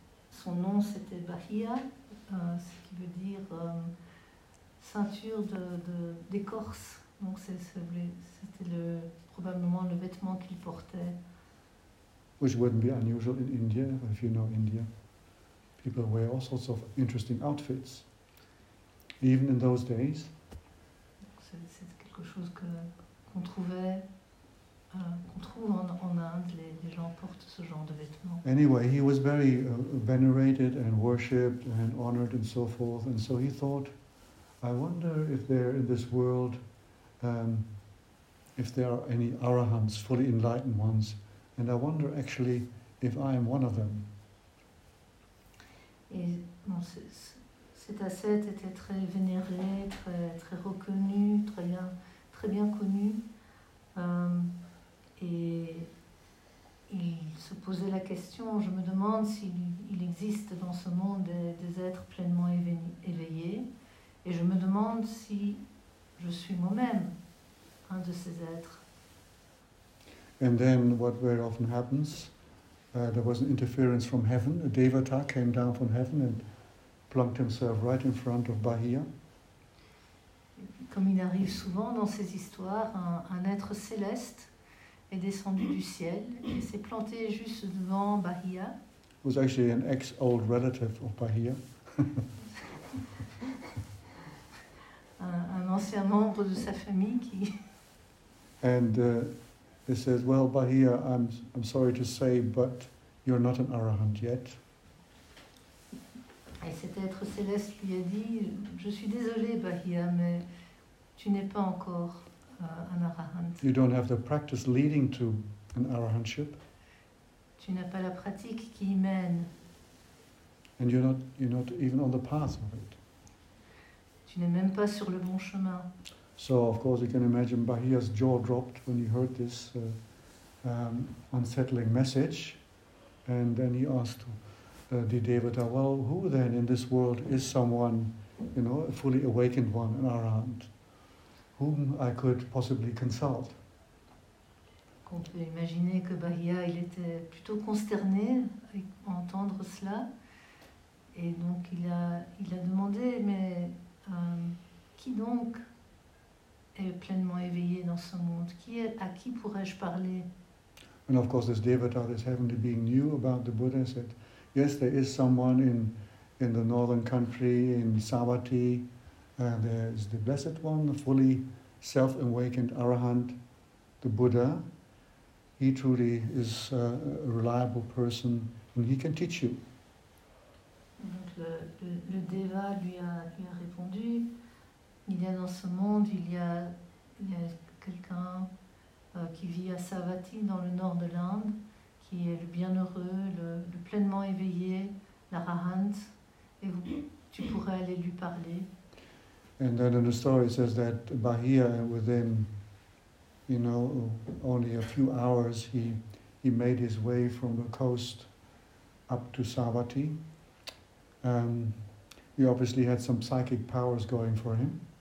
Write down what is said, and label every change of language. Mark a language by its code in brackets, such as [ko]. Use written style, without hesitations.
[fr] son nom c'était Bahia, ce qui veut dire ceinture d'écorce. Donc c'était probablement le vêtement qu'il portait. [en] Which wouldn't be unusual in India, if you know India. People wear all sorts of interesting outfits, even in those days. [fr] C'est quelque chose qu'on trouvait, qu'on trouve en Inde, les gens portent ce genre de vêtements. [en] Anyway, he was very venerated and worshipped and honored and so forth. And so he thought, I wonder if there in this world, if there are any arahants, fully enlightened ones, and I wonder actually if I am one of them. [fr] Et bon, cet ascète était très vénéré, très, très reconnu, très bien connu. Et il se posait la question, je me demande s'il existe dans ce monde des êtres pleinement éveillés. Et je me demande si je suis moi-même un de ces êtres. [en] And then what very often happens, there was an interference from heaven. A devata came down from heaven and plunked himself right in front of Bahia. [fr] Comme il arrive souvent dans ces histoires, un être céleste est descendu du ciel et s'est planté juste devant Bahia. [en] It was actually an ex-old relative of Bahia. [fr] un ancien membre de sa famille qui... [en] And... He says, "Well, Bahia, I'm sorry to say, but you're not an arahant yet." [fr] Et cet être céleste lui a dit, "Je suis désolé, Bahia, mais tu n'es pas encore un arahant." [en] You don't have the practice leading to an arahantship. [fr] Tu n'as pas la pratique qui y mène. [en] And you're not even on the path of it. [fr] Tu n'es même pas sur le bon chemin. [en] So, of course, you can imagine Bahia's jaw dropped when he heard this unsettling message. And then he asked the devata, "Well, who then in this world is someone, you know, a fully awakened one, an arahant, whom I could possibly consult?" [fr] On peut imaginer que Bahia, il était plutôt consterné à entendre cela. Et donc, il a demandé, mais qui donc est pleinement éveillé dans ce monde. À qui pourrais-je parler? [en] And of course, this devata, this heavenly being, knew about the Buddha. Said, "Yes, there is someone in the northern country in Savatthi. There is the Blessed One, the fully self-awakened Arahant, the Buddha. He truly is a reliable person, and he can teach you." [fr] Donc le deva lui a répondu. Il y a dans ce monde, il y a quelqu'un qui vit à Savatthi, dans le nord de l'Inde, qui est le bienheureux, le pleinement éveillé, l'arahant, et tu pourrais aller lui parler. [en] And then in the story it says that Bahia, within, you know, only a few hours, he made his way from the coast up to Savatthi. He obviously had some psychic powers going for him.